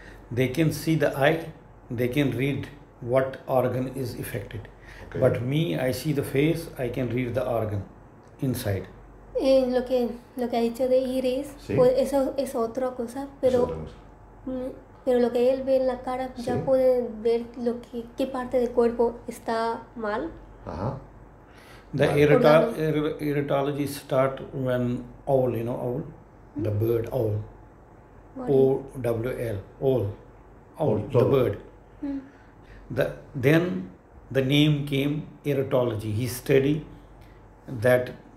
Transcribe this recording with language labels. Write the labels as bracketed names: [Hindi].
[English] They can see the eye, they can read what organ is affected. Okay. But me, I see the face, I can read the organ inside. [Spanish] En lo que ha dicho de iris, ¿sí? Pues eso es otra cosa, pero lo que él ve en la cara, ¿sí? Ya puede ver lo que qué parte del cuerpo está mal. [English] The iritology start when owl, you know, owl, the bird owl. O-W-L, owl, owl, the bird. Then the name came iritology. He studied that.